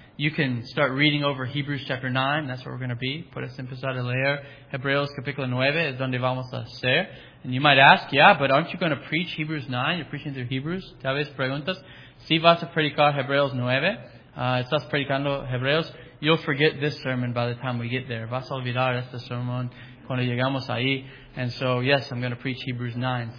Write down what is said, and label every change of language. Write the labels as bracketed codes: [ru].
[en] You can start reading over Hebrews chapter 9. That's where we're going to be. [es] Puedes empezar a leer Hebreos capítulo 9. Es donde vamos a ser. [en] And you might ask, yeah, but aren't you going to preach Hebrews 9? You're preaching through Hebrews. [es] Tal vez preguntas. Si vas a predicar Hebreos 9. Estás predicando Hebreos. [en] You'll forget this sermon by the time we get there. [es] Vas a olvidar este sermón cuando llegamos ahí. [en] And so, yes, I'm going to preach Hebrews 9.